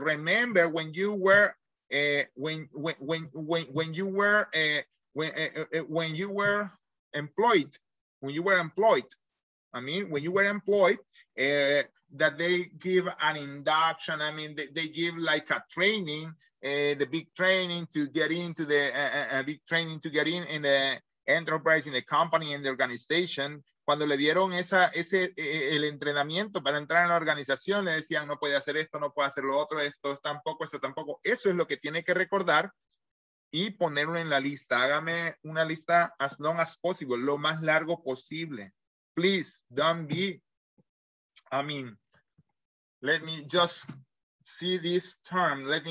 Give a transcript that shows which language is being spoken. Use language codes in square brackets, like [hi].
[en] Remember when you were employed, that they give an induction. I mean, they give like a training, the big training to get into the big training to get in the enterprise, in the company, in the organization. [es] Cuando le dieron el entrenamiento para entrar en la organización, le decían, no puede hacer esto, no puede hacer lo otro, esto tampoco. Eso es lo que tiene que recordar y ponerlo en la lista. Hágame una lista [en] as long as possible, [es] lo más largo posible. [en] Please, don't be, let me just see this term.